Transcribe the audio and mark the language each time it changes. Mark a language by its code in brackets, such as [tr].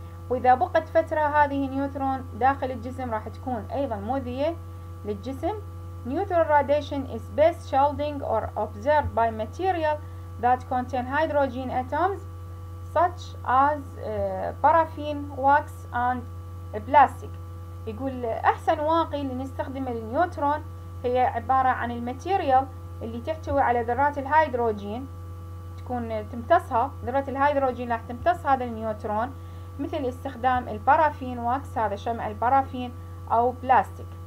[ar] وإذا بقت فترة هذه نيوترون داخل الجسم راح تكون أيضا مؤذية للجسم. [en] Neutron radiation is best shielding or observed by material that contain hydrogen atoms such as paraffin, wax and plastic. [ar] يقول أحسن واقي لنستخدم النيوترون هي عبارة عن الماتيريال اللي تحتوي على ذرات الهيدروجين، تكون تمتصها ذرات الهيدروجين راح تمتص هذا النيوترون، مثل استخدام البارافين واكس، هذا شمع البارافين أو بلاستيك.